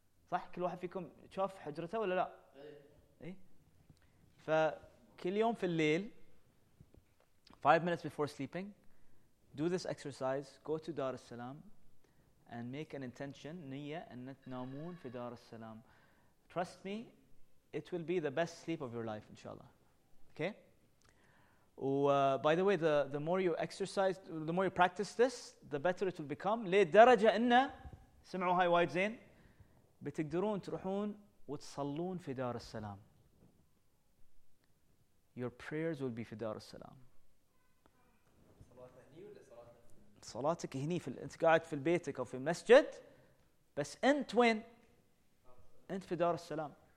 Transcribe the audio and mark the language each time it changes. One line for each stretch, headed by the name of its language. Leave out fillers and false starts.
Arabic: صح كل واحد فيكم شاف حجرته ولا لا؟ إيه. فكل يوم في الليل,
English: 5 minutes before sleeping, do this exercise. Go to Dar es Salaam and make an intention,
Arabic: نية أن تنامون في دار السلام.
English: Trust me, it will be the best sleep of your life, inshallah. Okay. By the way, the more you exercise, the more you practice this, the better it will become.
Arabic: لدرجة إن سمعوا هاي وايد زين بتقدرون تروحون وتصلون في دار السلام.
English: Your prayers will be في دار السلام.
Arabic: صلاتك هني في أنت قاعد في بيتك أو في المسجد, بس أنت وين؟ أنت في دار السلام.